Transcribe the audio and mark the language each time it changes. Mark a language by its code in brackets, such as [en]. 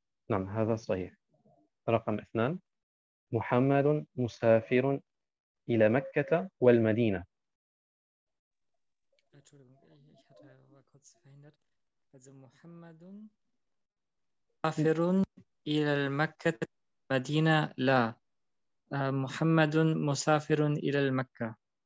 [ar] نعم هذا صحيح رقم اثنان محمد مسافر إلى مكة والمدينة [de] Entschuldigung, ich hatte aber kurz verhindert. [ar] Also محمد مسافر إلى المكة المدينة لا محمد مسافر إلى المكة.